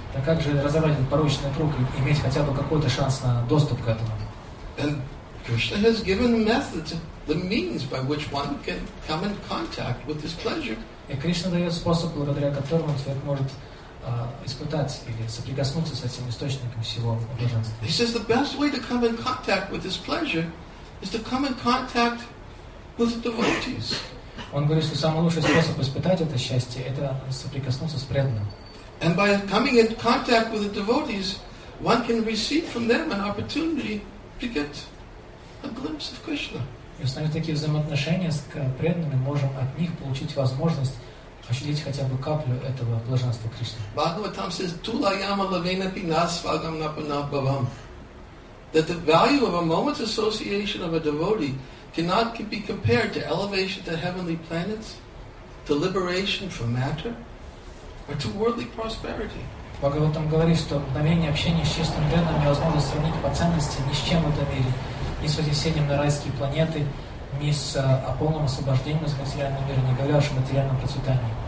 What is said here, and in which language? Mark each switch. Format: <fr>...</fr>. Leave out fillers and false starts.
<ru>Так как же разорвать этот порочный круг и иметь хотя бы какой-то шанс на доступ к этому?</ru> <en>And Krishna has given the methods, the means by which one can come in contact with this pleasure.</en> <ru>И Кришна дает способ, благодаря которому человек может испытать или соприкоснуться с этим источником всего блаженства.</ru> <en>He says the best way to come in contact with this pleasure is to come in contact with the devotees.</en> <ru>Он говорит, что самый лучший способ испытать это счастье — это соприкоснуться с преданным.</ru> <en>And by coming in contact with the devotees, one can receive from them an opportunity to get a glimpse of Krishna.</en> <ru>И в таких взаимоотношениях с преданными можем от них получить возможность ощутить хотя бы каплю этого блаженства Кришны.</ru> <sa>Бхагаватам</sa> <en>says,</en> <sa>Tulayama lavena pinasvagam napanabhavam.</sa> <en>That the value of a moment's association of a devotee cannot be compared to elevation to heavenly planets, to liberation from matter, or to worldly prosperity.</en> <ru>Бхагаватам говорит, что мгновение общения с чистым преданным невозможно сравнить по ценности ни с чем в этом мире. Ни с вознесением на райские планеты, ни с о полном освобождении из материального мира, не говоря о материальном процветании.</ru>